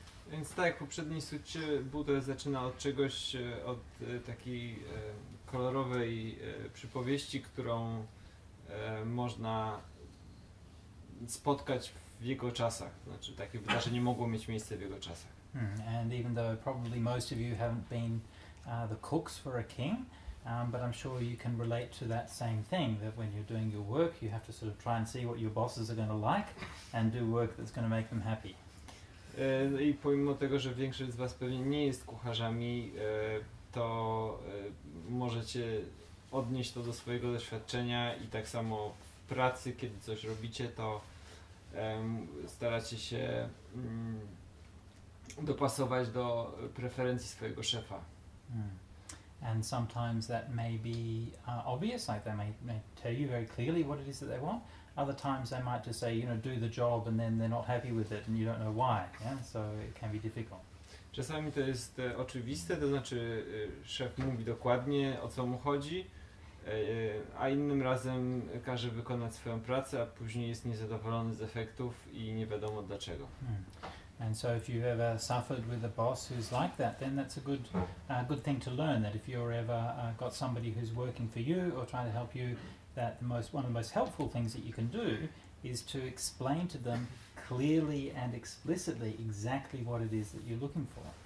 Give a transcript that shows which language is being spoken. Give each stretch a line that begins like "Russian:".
Polish: Więc tak jak w poprzedniej sucie, Buddha zaczyna od czegoś, od takiej kolorowej przypowieści, którą można spotkać w jego czasach. Znaczy, takie wydarzenie mogło mieć miejsce w jego czasach.
English: And even though probably most of you haven't been the cooks for a king, but I'm sure you can relate to that same thing, that when you're doing your work, you have to sort of try and see what your bosses are going to like and do work that's going to make them happy.
Polish: I pomimo tego, że większość z was pewnie nie jest kucharzami, to możecie odnieść to do swojego doświadczenia i tak samo w pracy, kiedy coś robicie, to staracie się dopasować do preferencji swojego szefa.
English: And sometimes that may be obvious, like they may tell you very clearly what it is that they want. Other times they might just say, you know, do the job, and then they're not happy with it, and you don't know why, yeah? So it can be difficult.
Polish: Czasami to jest oczywiste, to znaczy szef mówi dokładnie, o co mu chodzi, a innym razem każe wykonać swoją pracę, a później jest niezadowolony z efektów i nie wiadomo dlaczego.
English: And so if you've ever suffered with a boss who's like that, then that's a good good thing to learn, that if you're ever got somebody who's working for you or trying to help you, that the most one of the most helpful things that you can do is to explain to them clearly and explicitly exactly what it is that you're looking for.